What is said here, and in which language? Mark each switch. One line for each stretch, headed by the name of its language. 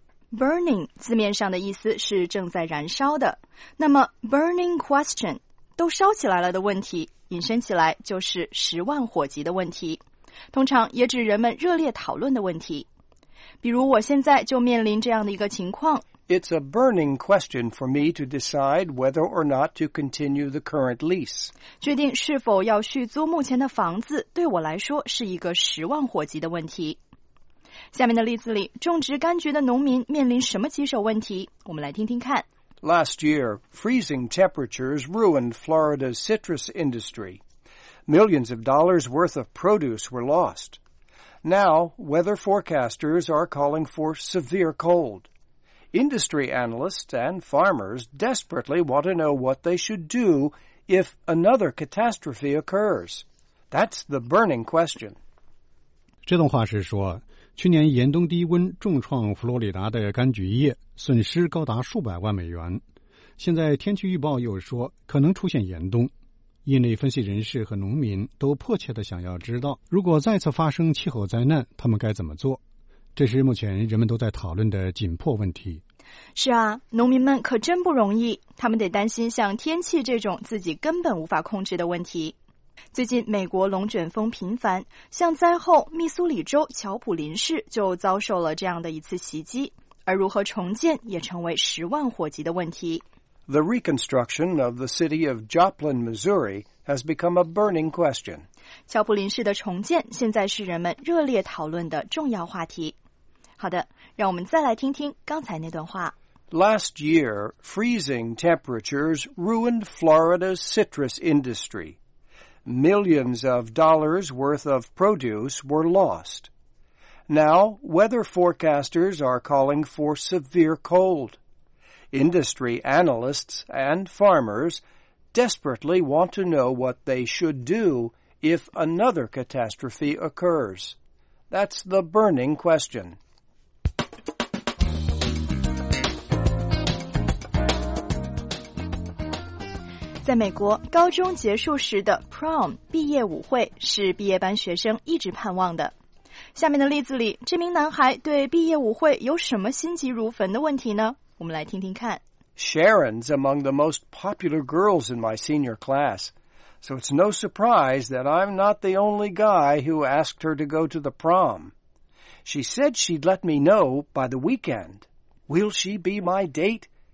Chinese: Burning 字面上的意思是正在燃烧的，那么 burning question, 都烧起来了的问题，引申起来就是十万火急的问题，通常也指人们热烈讨论的问题。比如我现在就面临这样的一个情况。
English: It's a burning question for me to decide whether or not to continue the current lease.
Chinese: 决定是否要续租目前的房子对我来说是一个十万火急的问题。下面的例子里，种植柑橘的农民面临什么棘手问题？我们来听听看。
English: Last year, freezing temperatures ruined Florida's citrus industry. Millions of dollars worth of produce were lost. Now, weather forecasters are calling for severe cold. Industry analysts and farmers desperately want to know what they should do if another catastrophe occurs. That's the burning question.
Chinese: 这段话是说，去年严冬低温重创佛罗里达的柑橘业，损失高达数百万美元。现在天气预报又说可能出现严冬。业内分析人士和农民都迫切地想要知道，如果再次发生气候灾难，他们该怎么做？这是目前人们都在讨论的紧迫问题。是啊，农民们可真不容易，他们得担心像天气这种自己根本无法控制的问题。最近美国龙卷风频繁，像灾后密苏里州乔普林市就遭受了这样的一次袭击，而如何重建也成为十万火急的问题。
English: The reconstruction of the city of Joplin, Missouri has become a burning question.
Chinese: 乔普林市的重建现在是人们热烈讨论的重要话题。好的，让我们再来听听刚才那段话。
English: Last year, freezing temperatures ruined Florida's citrus industry. Millions of dollars worth of produce were lost. Now, weather forecasters are calling for severe cold. Industry analysts and farmers desperately want to know what they should do if another catastrophe occurs. That's the burning question.
Chinese: 在美国，高中结束时的 prom 毕业舞会是毕业班学生一直盼望的。下面的例子里，这名男孩对毕业舞会有什么心急如焚的问题呢？我们来听听看。
English: Sharon's among the most popular girls in my senior class, so it's no surprise that I'm not the only guy who asked her to go to the prom. She said she'd let me know by the weekend. Will she be my date?